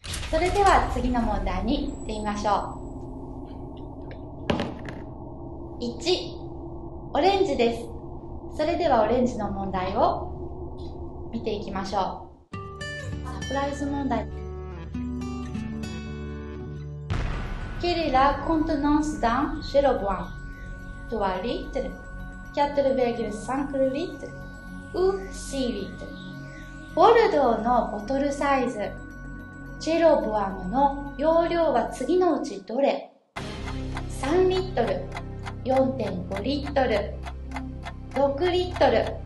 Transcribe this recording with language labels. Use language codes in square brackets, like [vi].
[ja] それでは次の問題に行ってみましょう。 1。 オレンジです。それではオレンジの問題を見ていきましょう。サプライズ問題。 [fr] Quel est la contenance d'un chéroboin? 3 litres, 4,5 litres ou 6 litres? [ja] ボルドーのボトルサイズ、チェロボアムの容量は次のうちどれ？ 3リットル、4.5 リットル、6リットル。